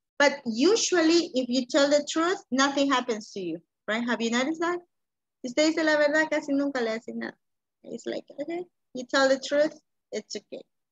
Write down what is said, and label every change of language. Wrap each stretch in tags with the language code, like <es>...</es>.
<en>But usually if you tell the truth, nothing happens to you, right? Have you noticed that?</en> <es>Usted dice la verdad, casi nunca le hace nada.</es> <en>It's like, okay, you tell the truth, it's okay.</en>